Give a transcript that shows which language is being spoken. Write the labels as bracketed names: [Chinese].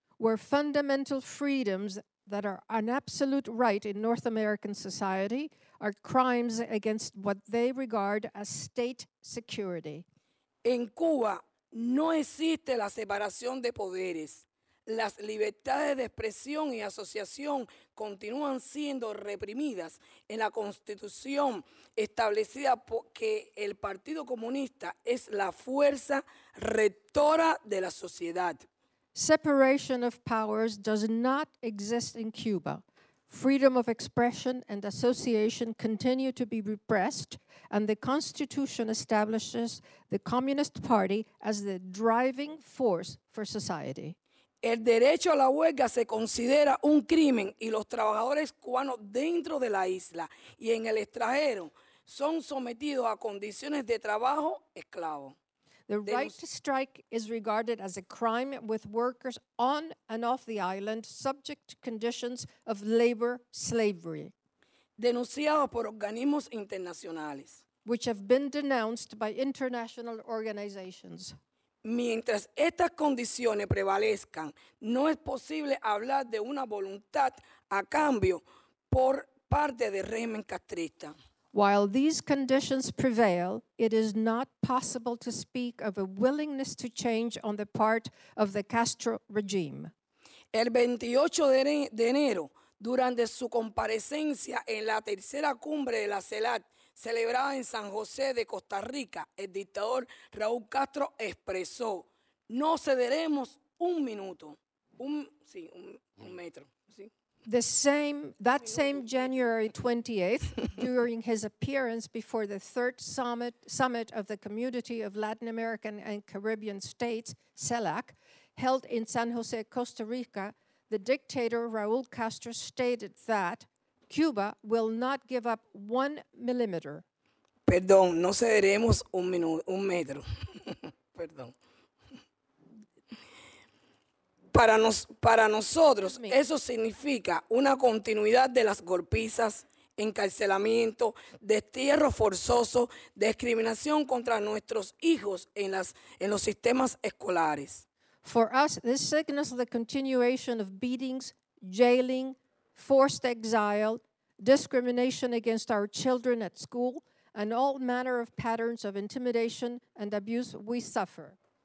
[English] Where fundamental freedoms that are an absolute right in North American society are crimes against what they regard as state security. [Spanish] En Cuba no existe la separación de poderes. Las libertades de expresión y asociación continúan siendo reprimidas en la Constitución establecida porque el Partido Comunista es la fuerza rectora de la sociedad. [English] Separation of powers does not exist in Cuba. Freedom of expression and association continue to be repressed, and the Constitution establishes the Communist Party as the driving force for society. [Spanish] El derecho a la huelga se considera un crimen y los trabajadores cubanos dentro de la isla y en el extranjero son sometidos a condiciones de trabajo esclavo. [English] The right to strike is regarded as a crime with workers on and off the island subject to conditions of labor slavery. [Spanish] Denunciados por organismos internacionales. [English] Which have been denounced by international organizations. [Spanish] Mientras estas condiciones prevalezcan, no es posible hablar de una voluntad a cambio por parte del régimen castrista. [English] While these conditions prevail, it is not possible to speak of a willingness to change on the part of the Castro regime. [Spanish] El 28 de enero, durante su comparecencia en la tercera cumbre de la CELAC, celebrada en San José de Costa Rica, el dictador Raúl Castro expresó, no cederemos un minuto, un metro. [English] That same January 28th, during his appearance before the third summit of the Community of Latin American and Caribbean States, CELAC, held in San José, Costa Rica, the dictator Raúl Castro stated that Cuba will not give up one millimeter. [Spanish] Perdón, no cederemos un metro. Perdón. Para nosotros, eso significa una continuidad de las golpizas, encarcelamiento, destierro forzoso, discriminación contra nuestros hijos en los sistemas escolares. [English] For us, this signals the continuation of beatings, jailing, forced exile, discrimination against our children at school, and all manner of patterns of intimidation and abuse we suffer.